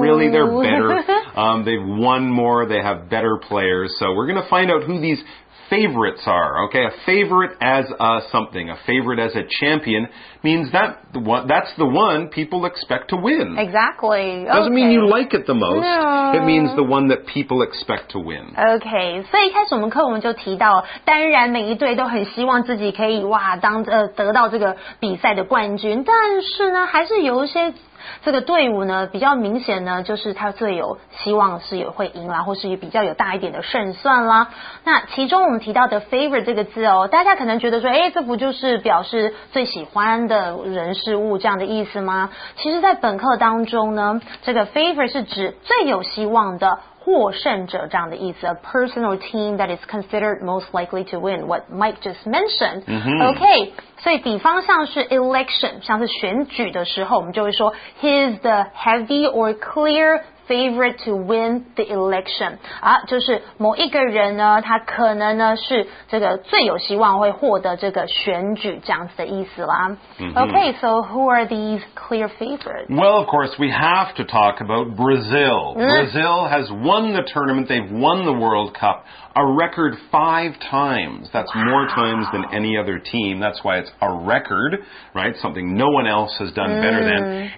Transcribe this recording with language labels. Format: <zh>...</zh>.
<en>Really, they're better. They've won more. They have better players. So we're going to find out who these favorites are. Okay, a favorite as a something, a favorite as a champion, means that that's the one people expect to win. Exactly. Doesn't okay. mean you like it the most. No. It means the one that people expect to win.</en> <zh>Okay, 所以一开始我们课我们就提到，当然每一队都很希望自己可以哇当得到这个比赛的冠军，但是呢，还是有一些。这个队伍呢比较明显呢就是他最有希望是有会赢啦或是比较有大一点的胜算啦那其中我们提到的 favorite 这个字哦大家可能觉得说诶这不就是表示最喜欢的人事物这样的意思吗其实在本课当中呢这个 favorite 是指最有希望的获胜者这样的意思</zh> <en>a person or team that is considered most likely to win what Mike just mentioned、 mm-hmm.</en> <zh>okay 所以比方像是 election 像是选举的时候我们就会说</zh> <en>he's the heavy or clear favorite to win the election.</en> <zh>啊，就是某一个人呢，他可能呢是这个最有希望会获得这个选举这样子的意思啦。 Mm-hmm.</zh> <en>Okay, so who are these clear favorites? Well, of course, we have to talk about Brazil.、 Mm-hmm. Brazil has won the tournament. They've won the World Cup a record 5 times. That's、 wow. more times than any other team. That's why it's a record, right? Something no one else has done、mm-hmm. better than.</en>